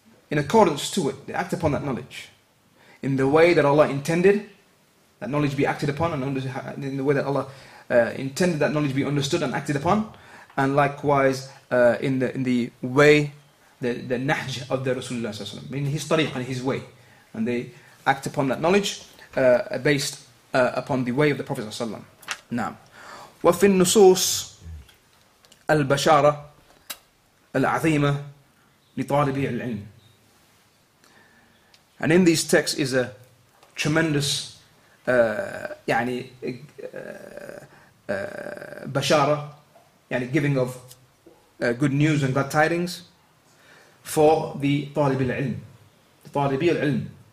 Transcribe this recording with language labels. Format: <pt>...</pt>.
<en>in accordance to it, they act upon that knowledge in the way that Allah intended that knowledge be acted upon, and in the way that Allah intended that knowledge be understood and acted upon, and likewise in the way, the nahj of the Rasulullah sallallahu alaihi wasallam, in his tariq and his way, and they act upon that knowledge based upon the way of the Prophet sallallahu alaihi wasallam.</en> <ar>وفي النصوص البشارة العظيمة لطالبي العلم.</ar> <en>And in these texts is a tremendous bashara, yani giving of good news and glad tidings for the talib al-ilm. The talib al-ilm.</en>